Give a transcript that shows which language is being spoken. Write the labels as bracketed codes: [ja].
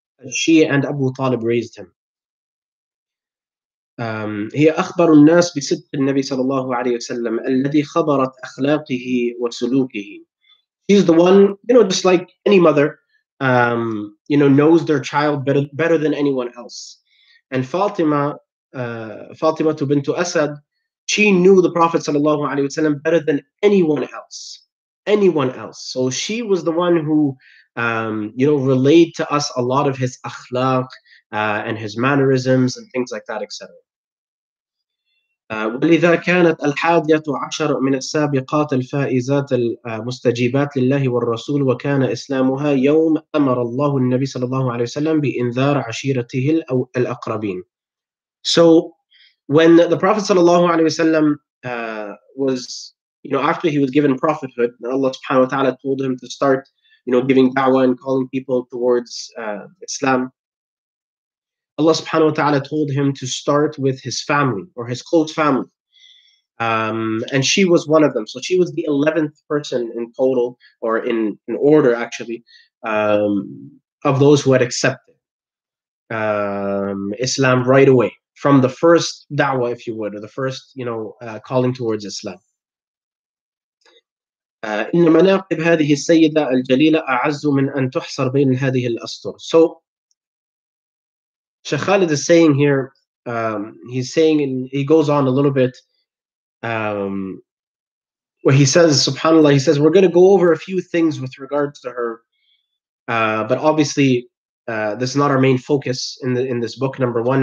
[en] She and Abu Talib raised him. [ar] هي أخبر الناس بصدق النبي صلى الله عليه وسلم الذي خبرت أخلاقه وسلوكه. [en] She's the one, you know, just like any mother, you know, knows their child better than anyone else. And Fatima bint Asad, she knew the Prophet صلى الله عليه وسلم better than anyone else. Anyone else. So she was the one who, you know, relayed to us a lot of his akhlaq and his mannerisms and things like that, etc. [ar] ولذا كانت الحادية عشر من السابقات الفائزات المستجيبات لله والرسول وكان إسلامها يوم أمر الله النبي صلى الله عليه وسلم بإنذار عشيرته الأقربين. [en] So when the Prophet صلى الله عليه وسلم was, you know, after he was given prophethood, and Allah subhanahu wa ta'ala told him to start, you know, giving da'wah and calling people towards Islam, Allah subhanahu wa ta'ala told him to start with his family or his close family. And she was one of them. So she was the 11th person in total, or in order actually, of those who had accepted Islam right away from the first da'wah, if you would, or the first, you know, calling towards Islam. [ar] إن مناقب هذه السيدة الجليلة أعز من أن تحصر بين هذه الأسطر. [en] So Sheikh Khalid is saying here, he's saying, and he goes on a little bit, where he says, subhanAllah, he says, we're going to go over a few things with regards to her, but obviously, this is not our main focus in this book, number one.